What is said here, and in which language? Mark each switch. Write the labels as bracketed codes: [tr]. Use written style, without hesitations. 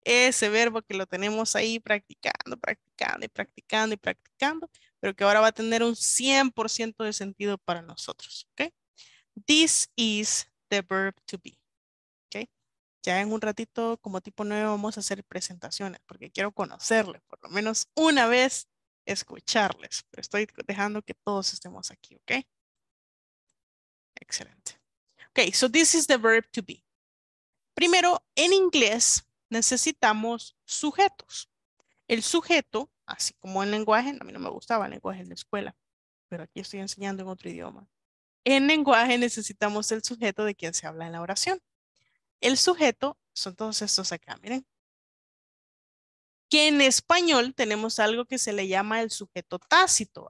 [es] Ese verbo que lo tenemos ahí practicando, practicando y practicando y practicando, pero que ahora va a tener un 100% de sentido para nosotros. ¿Okay? [en] This is the verb to be. ¿Okay? [es] Ya en un ratito, como tipo 9, vamos a hacer presentaciones, porque quiero conocerle por lo menos una vez. Escucharles, pero estoy dejando que todos estemos aquí, ¿ok? Excelente. [en] Ok, so this is the verb to be. [es] Primero, en inglés necesitamos sujetos. El sujeto, así como en lenguaje, a mí no me gustaba el lenguaje en la escuela, pero aquí estoy enseñando en otro idioma. En lenguaje necesitamos el sujeto de quien se habla en la oración. El sujeto son todos estos acá, miren. Que en español tenemos algo que se le llama el sujeto tácito.